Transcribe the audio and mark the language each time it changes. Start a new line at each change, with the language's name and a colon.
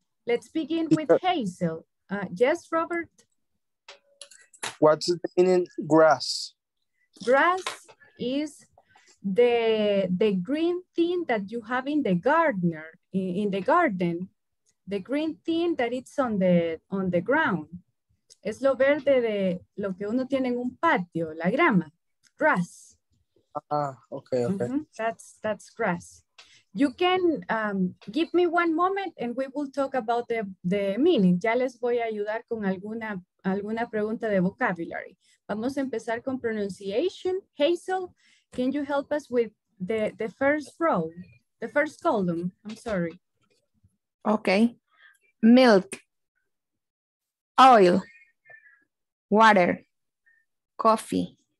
English: Let's begin with Hazel. Yes, Robert? What's the meaning grass? Grass is the green thing that you have in the gardener, in the garden, the green thing that it's on the ground.
Spanish: Es lo verde de lo que uno tiene en un patio, la grama, grass. Okay. Mm-hmm.
English: That's grass. You can give me one moment and we will talk about the meaning.
Spanish: Ya les voy a ayudar con alguna pregunta de vocabulary. Vamos a empezar con pronunciation.
English: Hazel, can you help us with the first row, the first column? I'm sorry. Okay. Milk, oil, water, coffee,